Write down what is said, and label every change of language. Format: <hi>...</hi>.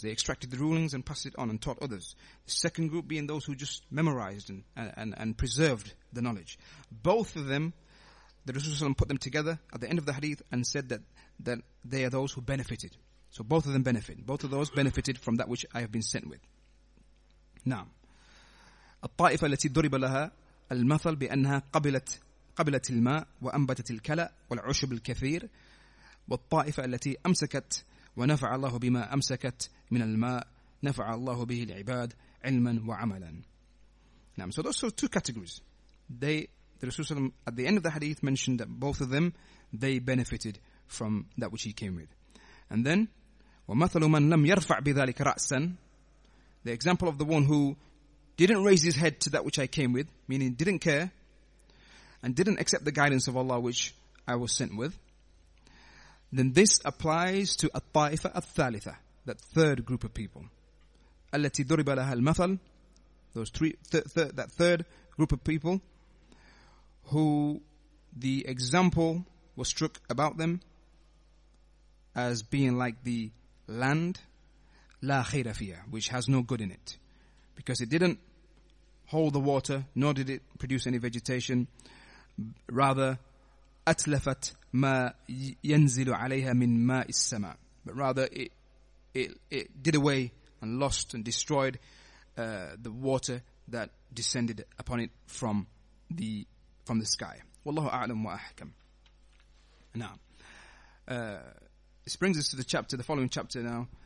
<en>They extracted the rulings and passed it on and taught others. The second group being those who just memorized and preserved the knowledge. Both of them, the Rasulullah put them together at the end of the hadith and said that they are those who benefited. So both of them benefit. Both of those benefited from that which I have been sent with. Naam.</en> <ar>الطائفة التي ضرب لها المثل بأنها قبلت الماء وأنبتت الكلى والعشب الكثير والطائفة التي أمسكت ونفع الله بما أمسكت من الماء نفع الله به العباد علما وعملا.</ar> <en>Naam. So those are two categories. The Rasulullah at the end of the hadith mentioned that both of them, they benefited from that which he came with. And then,</en> <ar>وَمَثَلُ مَنْ لَمْ يَرْفَعْ بِذَلِكَ رَأْسًا.</ar> <en>The example of the one who didn't raise his head to that which I came with, meaning didn't care, and didn't accept the guidance of Allah which I was sent with. Then this applies to</en> <ar>الطَّائِفَ الثَّالِثَ,</ar> <en>that third group of people.</en> <ar>أَلَّتِي ضُرِبَ لَهَا الْمَثَلُ.</ar> <en>Those three, that third group of people, who the example was struck about them as being like the land,</en> <ar>la khayra fiha,</ar> <en>which has no good in it. Because it didn't hold the water, nor did it produce any vegetation. Rather,</en> <ar>أتلفت ما ينزل عليها من ماء السماء.</ar> <en>But rather, it did away and lost and destroyed the water that descended upon it from the sky.</en> <ar>Wallahu a'lam wa ahkam.</ar> <en>Now, this brings us to the following chapter now.</en>